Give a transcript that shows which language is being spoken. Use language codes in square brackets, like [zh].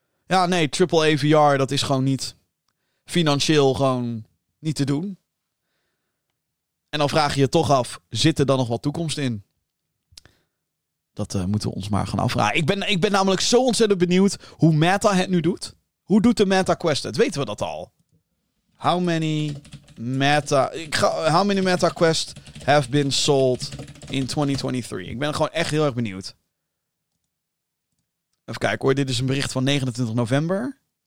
[nl] Ja, nee, AAA VR, dat is gewoon niet... Financieel gewoon niet te doen. En dan vraag je je toch af, zit er dan nog wat toekomst in? Dat moeten we ons maar gaan afvragen. Ik ben namelijk zo ontzettend benieuwd hoe Meta het nu doet. Hoe doet de Meta Quest het? Weten we dat al? [en] How many Meta Quest have been sold in 2023? [nl] Ik ben gewoon echt heel erg benieuwd. Even kijken hoor. Dit is een bericht van 29 november.